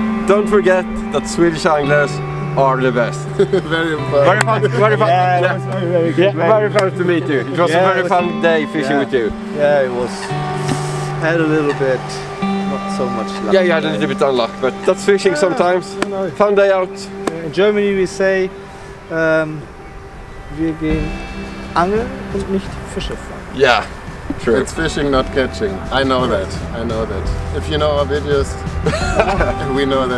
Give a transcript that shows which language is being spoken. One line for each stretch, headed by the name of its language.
English: Don't forget that Swedish anglers are the best. Very important. Very fun. Very fun. Yeah, it was very, very good. Very fun to meet you. It was a very fun day fishing with you. Yeah, it was. Had a little bit. Not so much luck. Yeah, you had a little bit of luck, but that's fishing sometimes. No. Fun day out. In Germany we say,
German: wir gehen angeln und nicht Fische fangen.
English: Yeah, true. It's fishing, not catching. I know that. I know that. If you know our videos, we know that.